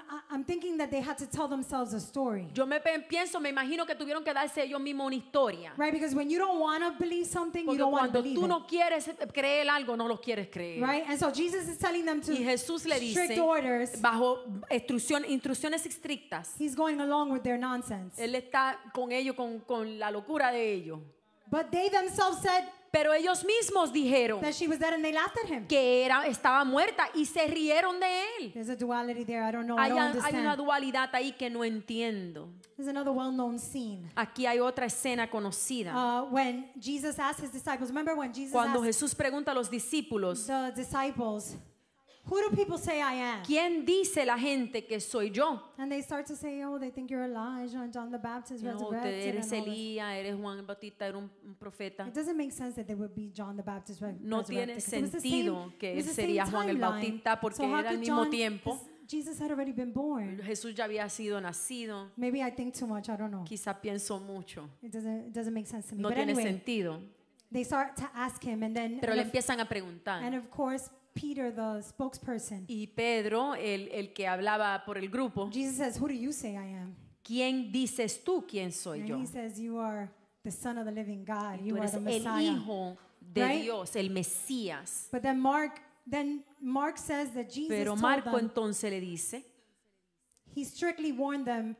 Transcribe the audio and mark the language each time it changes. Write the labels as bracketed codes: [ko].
[en] I'm thinking that they had to tell themselves a story. [es] Yo me pienso, me imagino que tuvieron que darse ellos mismos una historia. [en] Right, because when you don't want to believe something, [es] porque [en] you don't want to believe it. [es] Cuando tú no quieres creer algo, no lo quieres creer. [en] Right, and so Jesus is telling them to [es] y Jesús le dice, [en] strict orders. [es] Bajo instrucciones estrictas. [en] He's going along with their nonsense. [es] Él está con ellos con la locura de ellos. [en] But they themselves said. [es] Pero ellos mismos dijeron [en] that she was dead and they laughed at him. [es] Que estaba muerta y se rieron de él. [en] There's a duality there. I don't know. I don't understand. [es] Hay una dualidad ahí que no entiendo. [en] There's another well-known scene. [es] Aquí hay otra escena conocida. [en] When Jesus asked his disciples, remember when Jesus [es] cuando [en] asked [es] Jesús pregunta a los discípulos, [en] the disciples, who do people say I am? [es] ¿Quién dice la gente que soy yo? [en] And they start to say, oh, they think you're Elijah and John the Baptist resurrected. [es] No, eres Elías, eres Juan el Bautista, eres un profeta. [en] It doesn't make sense that they would be John the Baptist resurrected. [es] No tiene sentido que él sería Juan el Bautista porque era al mismo tiempo. [en] Jesus had already been born. [es] Jesús ya había sido nacido. [en] Maybe I think too much, I don't know. [es] Quizá pienso mucho. [en] It doesn't make sense to me. [es] No [en] but [es] tiene [en] anyway, [es] sentido. [en] They start to ask him and then [es] pero le empiezan a preguntar. [en] And of course Peter, the spokesperson. [es] Y Pedro, el que hablaba por el grupo. [en] Jesus says, "Who do you say I am?" [es] ¿Quién dices tú quién soy [en] and [es] yo? [en] He says, "You are the Son of the Living God. You are the Messiah." [es] El hijo de right? Dios, el Mesías. [en] But then Mark says that Jesus. [es] Pero Marco [en] told them, [es] entonces le dice. [en] He strictly warned them